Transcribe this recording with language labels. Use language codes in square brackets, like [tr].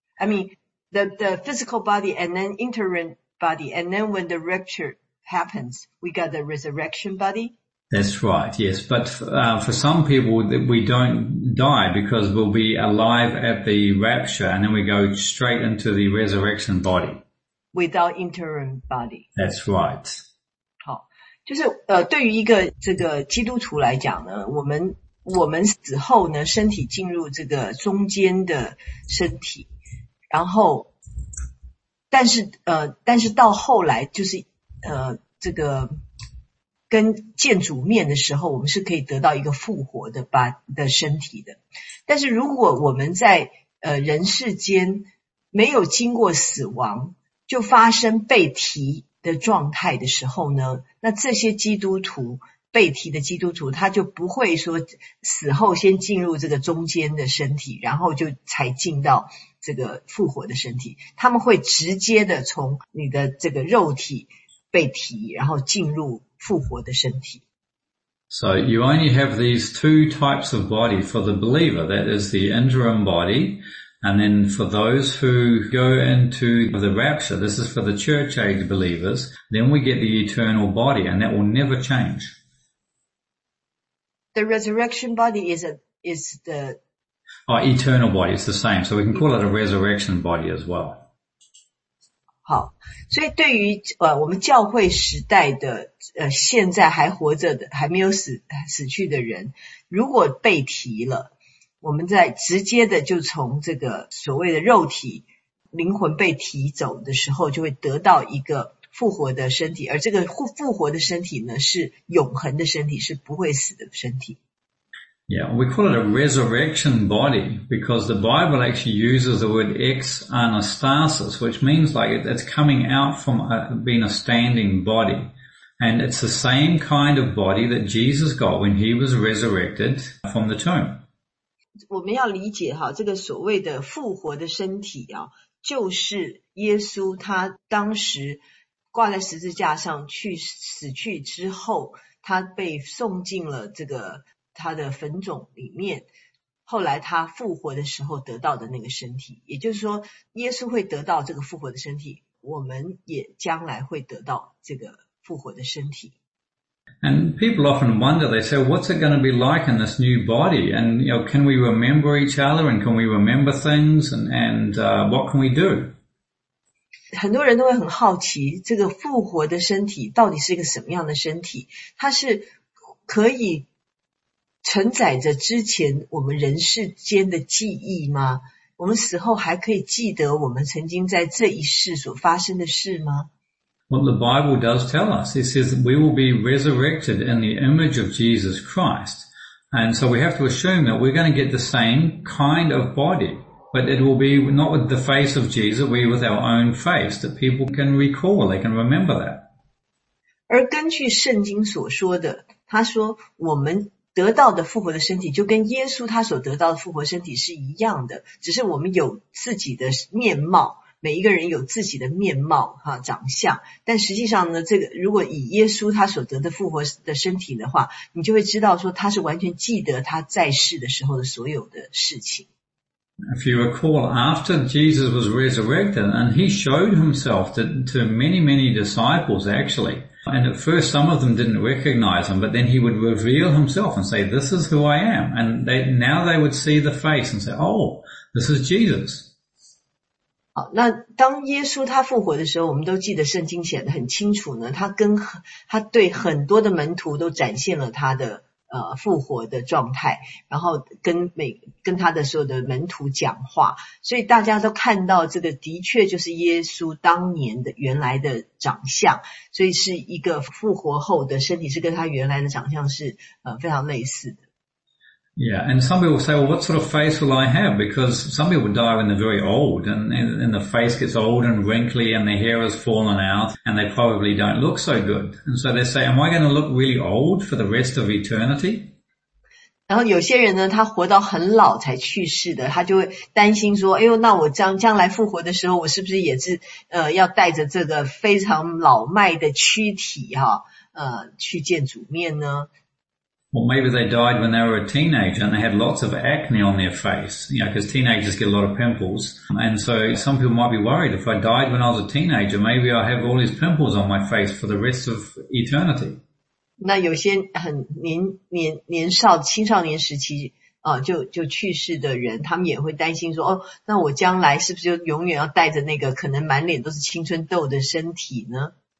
[en] I mean, the physical body and then interim body, and then when the rapture... happens. We got the resurrection body. That's right, yes. But for some people, we don't die because we'll be alive at the rapture and then we go straight into the resurrection body. Without interim body. That's right. [zh] 好，就是对于一个这个基督徒来讲呢，我们死后呢，身体进入这个中间的身体，然后，但是到后来就是。这个跟见主面的时候我们是可以得到一个复活的吧的身体的但是如果我们在人世间没有经过死亡就发生被提的状态的时候呢那这些基督徒被提的基督徒他就不会说死后先进入这个中间的身体然后就才进到这个复活的身体，他们会直接的从你的这个肉体被提，然后进入复活的身体。 [en] So you only have these two types of body for the believer, that is the interim body, and then for those who go into the rapture, this is for the church age believers, then we get the eternal body, and that will never change. The resurrection body is the... Oh, eternal body, it's the same, so we can call it a resurrection body as well. [zh] 好，所以对于我们教会时代的现在还活着的还没有死去的人，如果被提了，我们在直接的就从这个所谓的肉体灵魂被提走的时候，就会得到一个复活的身体，而这个复活的身体呢是永恒的身体，是不会死的身体。 [en] Yeah, we call it a resurrection body because the Bible actually uses the word ex anastasis, which means like it's coming out from being a standing body. And it's the same kind of body that Jesus got when he was resurrected from the tomb. [zh] 我们要理解哈，这个所谓的复活的身体啊，就是耶稣他当时挂在十字架上去死去之后，他被送进了这个他的坟冢里面，后来他复活的时候得到的那个身体，也就是说耶稣会得到这个复活的身体，我们也将来会得到这个复活的身体。 [en] And people often wonder, they say, what's it going to be like in this new body? And you know, can we remember each other? And can we remember things? And what can we do? [zh] 很多人都会很好奇，这个复活的身体到底是一个什么样的身体，它是可以承载着之前我们人世间的记忆吗？我们死后还可以记得我们曾经在这一世所发生的事吗？ [en] Well, the Bible does tell us. It says we will be resurrected in the image of Jesus Christ. And so we have to assume that we're going to get the same kind of body. But it will be not with the face of Jesus, we with our own face that people can recall, they can remember that. [zh] 而根据圣经所说的，他说我们得到的复活的身体就跟耶稣他所得到的复活身体是一样的，只是我们有自己的面貌，每一个人有自己的面貌哈，长相。但实际上呢，这个如果以耶稣他所得的复活的身体的话，你就会知道说他是完全记得他在世的时候的所有的事情。 [en] If you recall, after Jesus was resurrected, and he showed himself to many, many disciples, actually. And at first, some of them didn't recognize him, but then he would reveal himself and say, this is who I am. And now they would see the face and say, oh, this is Jesus. [zh] 好，那当耶稣他复活的时候，我们都记得圣经写得很清楚呢，他对很多的门徒都展现了他的复活的状态，然后跟他的所有的门徒讲话，所以大家都看到这个的确就是耶稣当年的原来的长相，所以是一个复活后的身体是跟他原来的长相是非常类似的。 [en] Yeah, and some people say, well, what sort of face will I have? Because some people die when they're very old, and the face gets old and wrinkly, and their hair has fallen out, and they probably don't look so good. And so they say, am I going to look really old for the rest of eternity? [zh] 然后有些人呢，他活到很老才去世的，他就会担心说，哎呦，那我将来复活的时候，我是不是也是要带着这个非常老迈的躯体哈，去见主面呢？ [en] Or maybe they died when they were a teenager and they had lots of acne on their face, you know, because teenagers get a lot of pimples. And so some people might be worried, if I died when I was a teenager, maybe I'll have all these pimples on my face for the rest of eternity. [zh] 那有些很年少青少年时期就去世的人，他们也会担心说，哦，那我将来是不是就永远要带着那个可能满脸都是青春痘的身体呢？